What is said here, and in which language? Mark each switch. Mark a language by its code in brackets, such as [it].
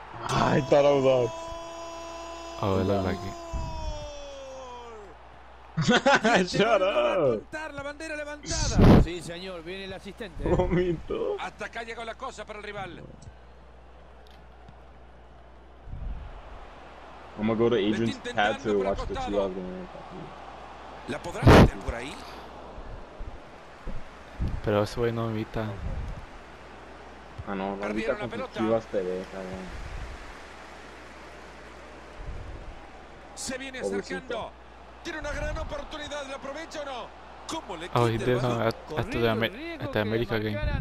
[en] I thought I was off. Oh, it looked like it. Shut up! [es] La bandera levantada. Sí, señor, viene el asistente. Momento. Hasta acá llegó la cosa para el rival. [en] I'm gonna go to Adrian's pad to watch the two of them. [es] ¿La podrá meter por ahí? Pero ese güey no invita. Ah, no, va a invitar con sus chivas TV, cabrón. Se viene acercando. Tiene una gran oportunidad, ¿la aprovecha o no? ¿Cómo le quita? [en] Oh, he did have at the America game.